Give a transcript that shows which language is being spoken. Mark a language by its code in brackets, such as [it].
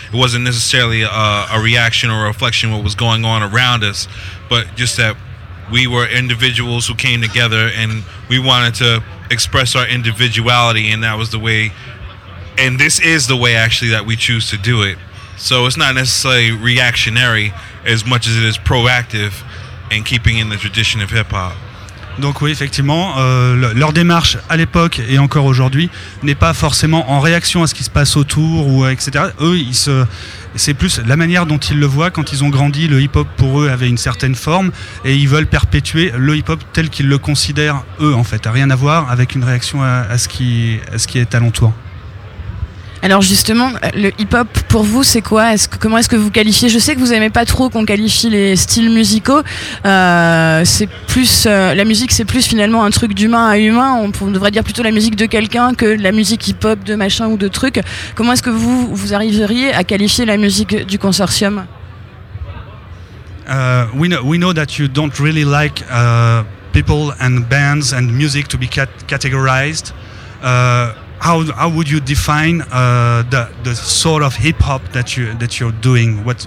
[en] It wasn't necessarily a reaction or a reflection of what was going on around us, but just that we were individuals who came together, and we wanted to express our individuality, and that was the way, and this is the way actually that we choose to do it. So it's not necessarily reactionary as much as it is proactive and keeping in the tradition of hip-hop. [fr] Donc oui, effectivement, leur démarche à l'époque et encore aujourd'hui n'est pas forcément en réaction à ce qui se passe autour, ou etc. Eux, c'est plus la manière dont ils le voient quand ils ont grandi. Le hip-hop pour eux avait une certaine forme et ils veulent perpétuer le hip-hop tel qu'ils le considèrent eux, en fait. Rien à voir avec une réaction à ce qui est alentour. Alors justement, le hip-hop pour vous, c'est quoi ? Comment est-ce que vous qualifiez ? Je sais que vous n'aimez pas trop qu'on qualifie les styles musicaux. C'est plus la musique, c'est plus finalement un truc d'humain à humain. On devrait dire plutôt la musique de quelqu'un que la musique hip-hop de machin ou de truc. Comment est-ce que vous arriveriez à qualifier la musique du consortium ? [en] We know that you don't really like people and bands and music to be categorized. How would you define the sort of hip hop that you're doing?